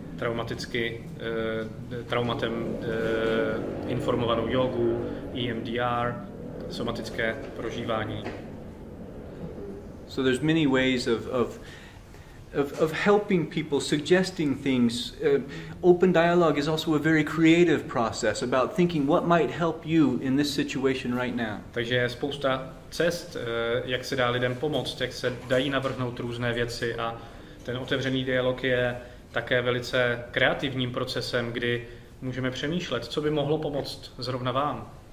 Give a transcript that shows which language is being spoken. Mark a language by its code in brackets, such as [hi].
[cs] Traumaticky, traumatem informovanou jogu, EMDR, somatické prožívání. [en] So there's many ways of helping people, suggesting things. Open dialogue is also a very creative process about thinking what might help you in this situation right now. [cs] Takže je spousta cest, jak se dá lidem pomoct, jak se dají navrhnout různé věci, a ten otevřený dialog je také velice kreativním procesem, kdy můžeme přemýšlet, co by mohlo pomoct zrovna vám.